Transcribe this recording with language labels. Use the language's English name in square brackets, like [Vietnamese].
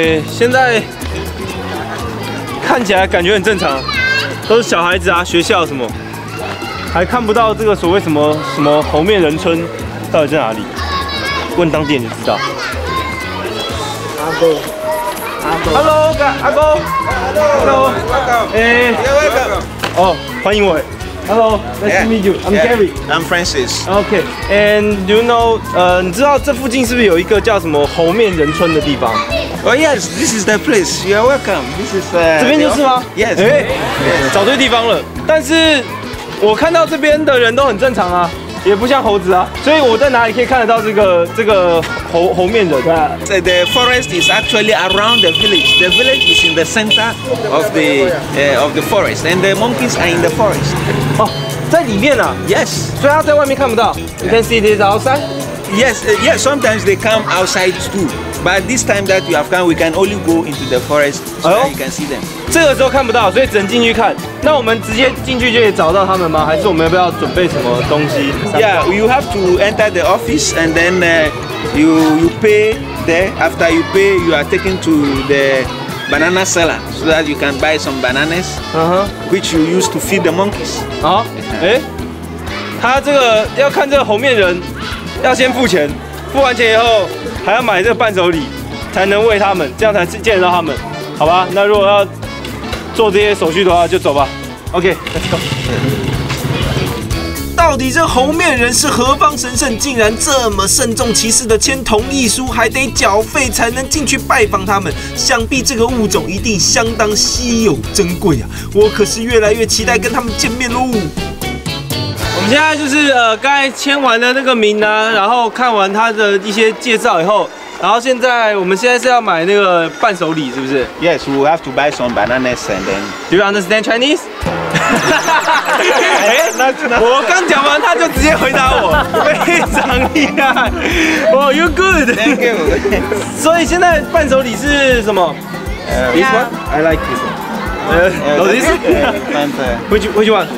[Chinese] 现在看起来感觉很正常，都是小孩子啊，学校什么。还看不到这个所谓什么什么猴面人村到底在哪里，问当地人就知道。阿哥，阿哥 ， [English] Hello， [Chinese] 阿哥 [English] ，Hello，Welcome， [Chinese] 哦，欢迎我 [English] ，Hello，Nice to meet you，I'm Gary，I'm Francis，OK，And you know， [Chinese] 你知道这附近是不是有一个叫什么猴面人村的地方？ [English] Oh yes, this is the place. You are welcome. This is [Chinese] 这边就是吗 [English] ？Yes. [Chinese] 找对地方了。但是我看到这边的人都很正常啊，也不像猴子啊。所以我在哪里可以看得到这个猴面人？ [English] 对 ，The forest is actually around the village. The village is in the center of the forest, and the monkeys are in the forest. [Chinese] 在里面啊 [English] ？Yes. [Chinese] 所以他在外面看不到。 [English] You can see this outside. Yes. Yes. Sometimes they come outside too. But this time that you have come, we can only go into the forest so that you can see them. [Chinese] 这个时候看不到，所以只能进去看。那我们直接进去就可以找到他们吗？还是我们要不要准备什么东西？ [English] Yeah, you have to enter the office and then you pay there. After you pay, you are taken to the banana seller so that you can buy some bananas, which you use to feed the monkeys. [Chinese] 他这个要看这个猴面人，要先付钱，付完钱以后。还要买这个伴手礼，才能喂他们，这样才是见得到他们，好吧？那如果要做这些手续的话，就走吧。 [English] OK， let's go。 [Chinese] 到底这猴面人是何方神圣，竟然这么慎重其事的签同意书，还得缴费才能进去拜访他们？想必这个物种一定相当稀有珍贵啊！我可是越来越期待跟他们见面喽。我们现在就是刚才签完的那个名呢，然后看完他的一些介绍以后，然后我们现在是要买那个伴手礼，是不是 [English] ？Yes, we have to buy some bananas and then. Do you understand Chinese? [Chinese] 我刚讲完，他就直接回答我，非常厉害。 [English] Oh, you good? Thank you. [Chinese] 所以现在伴手礼是什么 [English] ？This one, I like this one. Which one?